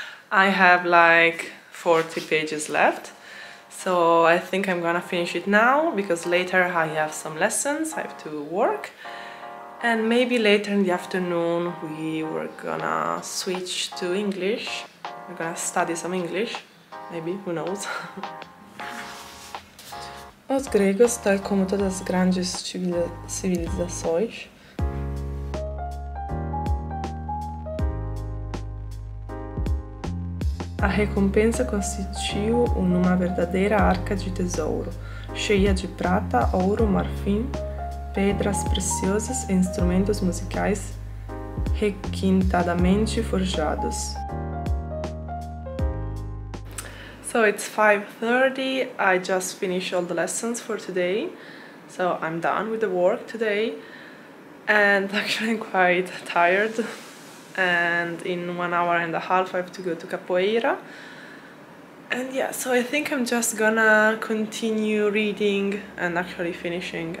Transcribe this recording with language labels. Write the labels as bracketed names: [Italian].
[English] I have like 40 pages left, so I think I'm gonna finish it now because later I have some lessons, I have to work, and maybe later in the afternoon we were gonna switch to English. We're gonna study some English, maybe, who knows. [Portuguese] Os gregos, tal como todas as grandes civilizações, a recompensa consistiu numa verdadeira arca de tesouro, cheia de prata, ouro, marfim, pedras preciosas e instrumentos musicais requintadamente forjados. [English] So it's 5:30, I just finished all the lessons for today, so I'm done with the work today, and actually I'm quite tired, and in 1 hour and a half I have to go to capoeira, and yeah, so I think I'm just gonna continue reading and actually finishing.